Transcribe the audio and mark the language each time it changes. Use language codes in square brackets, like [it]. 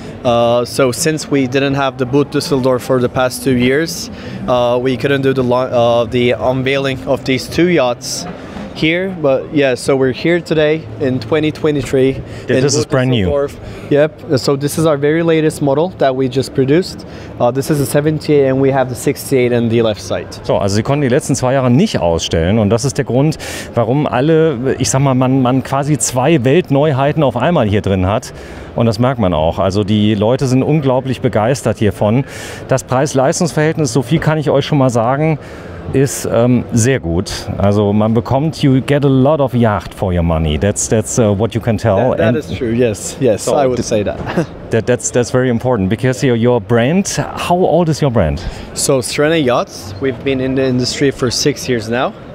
[en] So since we didn't have the boot Düsseldorf for the past 2 years, we couldn't do the unveiling of these 2 yachts. here, but yeah, so we're here today in 2023. Yeah, this is brand new. Yep, so this is our very latest model that we just produced. This is a 78 and we have the 68 on the left side. [de] So, also sie konnten die letzten zwei Jahre nicht ausstellen und das ist der Grund, warum alle, ich sag mal, man quasi zwei Weltneuheiten auf einmal hier drin hat. Und das merkt man auch. Also die Leute sind unglaublich begeistert hiervon. Das Preis-Leistungs-Verhältnis, so viel kann ich euch schon mal sagen, ist sehr gut. Also man bekommt, [en] you get a lot of yacht for your money. That's what you can tell. That is true. Yes, so I would say that. that's very important because your brand, how old is your brand? So Sirena Yachts, we've been in the industry for 6 years now.